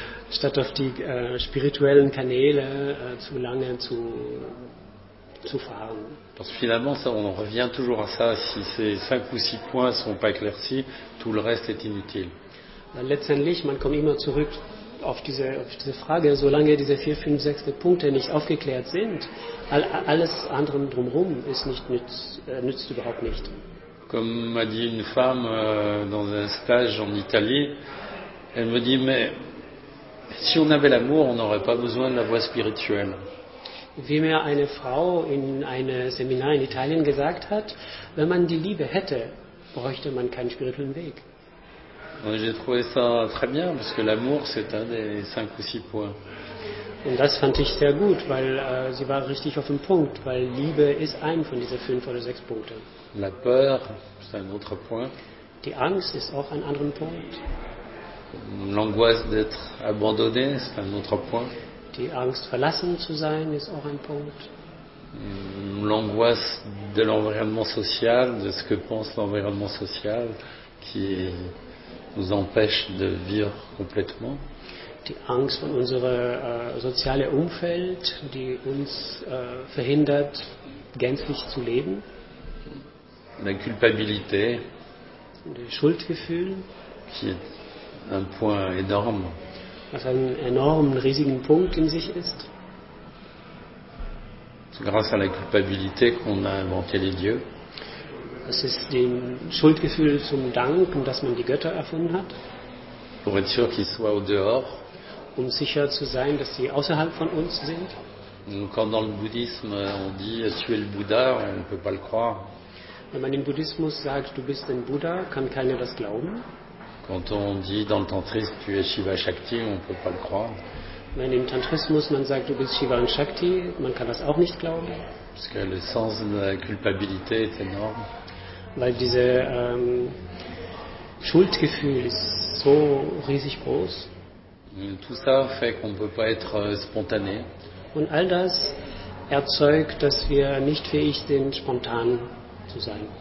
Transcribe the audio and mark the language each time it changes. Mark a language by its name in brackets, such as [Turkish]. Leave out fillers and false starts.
[German] Statt auf die spirituellen Kanäle zu lange zu fahren. [French] Parce que finalement, ça, on en revient toujours à ça. Si ces 5 ou 6 points sont pas éclaircis, tout le reste est inutile. [German] Letztendlich, man kommt immer zurück auf diese Frage, solange diese 4, 5, 6 Punkte nicht aufgeklärt sind, alles andere drumherum ist nützt überhaupt nicht. [French] Comme m'a dit une femme dans un stage en Italie, elle me dit, mais si on avait l'amour, on n'aurait pas besoin de la voie spirituelle. [German] Wie mir eine Frau in einem Seminar in Italien gesagt hat, wenn man die Liebe hätte, bräuchte man keinen spirituellen Weg. [French] J'ai trouvé ça très bien, parce que l'amour, c'est un des 5 ou 6 points. [German] Und das fand ich sehr gut, weil sie war richtig auf dem Punkt, weil Liebe ist ein von diesen 5 oder 6 Punkten. [French] La peur, c'est un autre point. [German] Die Angst ist auch ein anderer Punkt. [French] L'angoisse d'être abandonné, c'est un autre point. [German] Die Angst, verlassen zu sein, ist auch ein Punkt. [French] L'angoisse de l'environnement social, de ce que pense l'environnement social, qui nous empêche de vivre complètement. [German] Die Angst von unserem sozialen Umfeld, die uns verhindert, gänzlich zu leben. [French] La culpabilité. [German] Das Schuldgefühl. [French] Qui est un point énorme. [German] Was ein enormen, riesigen Punkt in sich ist. [French] C'est grâce à la culpabilité qu'on a inventé les dieux. [German] Es ist dem Schuldgefühl zum Dank, dass man die Götter erfunden hat. [French] Pour être sûr qu'ils soient au dehors. [German] Um sicher zu sein, dass sie außerhalb von uns sind. [French] Quand dans le bouddhisme on dit tu es le Bouddha, on ne peut pas le croire. [German] Wenn man im Buddhismus sagt, du bist ein Buddha, kann keiner das glauben. [French] Quand on dit dans le tantrisme tu es Shiva Shakti, on ne peut pas le croire. [German] Wenn im Tantrismus man sagt, du bist Shiva und Shakti, man kann das auch nicht glauben. [French] Parce que le sens de la culpabilité est énorme. [German] Weil dieses Schuldgefühl ist so riesig groß. [French] Tout ça fait qu'on peut pas être spontané. [German] Und all das erzeugt, dass wir nicht fähig sind, spontan zu sein.